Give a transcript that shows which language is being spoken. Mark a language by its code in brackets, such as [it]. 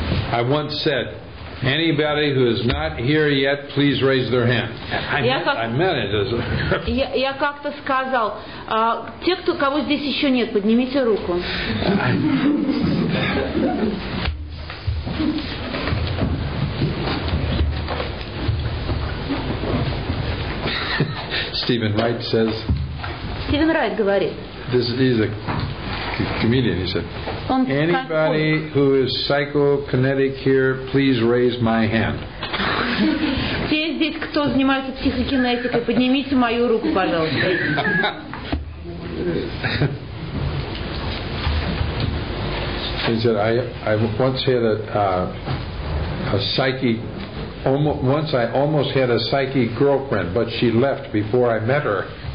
[en] I once said, anybody who is not here yet, please raise their hand. [ru] Я как-то сказал, те, кто кого здесь еще нет, поднимите руку. [en] Stephen Wright says. [ru] Стивен Райт говорит. [en] This is a comedian, he said. Anybody who is psychokinetic here, please raise my hand. [ru] Все здесь, кто занимается психокинетикой, поднимите мою руку, пожалуйста. [en] He said, I once had a psychic girlfriend, but she left before I met her.